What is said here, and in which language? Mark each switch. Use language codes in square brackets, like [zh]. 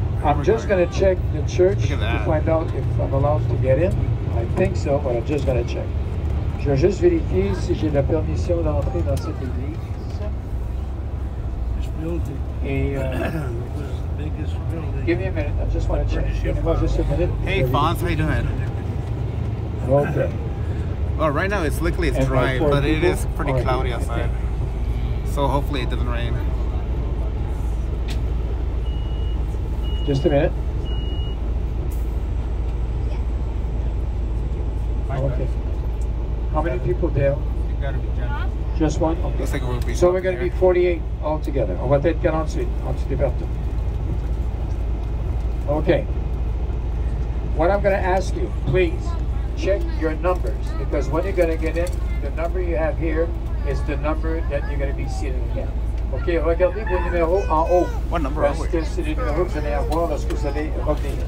[en] I'm just going to check the church to find out if I'm allowed to get in. I think so, but I'm just going to check. [fr] Je vais juste vérifier si j'ai la permission d'entrer dans cette église. [en] This building. Was the biggest building. Give me a minute. I just want to check. Give me just a minute. Hey, Bonds, how you doing? Okay. Well, right now it's luckily it's dry, but it is pretty cloudy outside. So hopefully it doesn't rain. Just a minute. Okay. How many people, Dale? Just one? Okay. Like we'll so we're going to be 48 altogether. [fr] On va être 48. On se départe. [en] Okay. What I'm going to ask you, please. Check your numbers, because when you're going to get in, the number you have here is the number that you're going to be seated again. [fr] Okay, regardez vos numéros en haut. [en] What number are we? [fr] C'est le numéro que vous allez avoir lorsque vous allez revenir.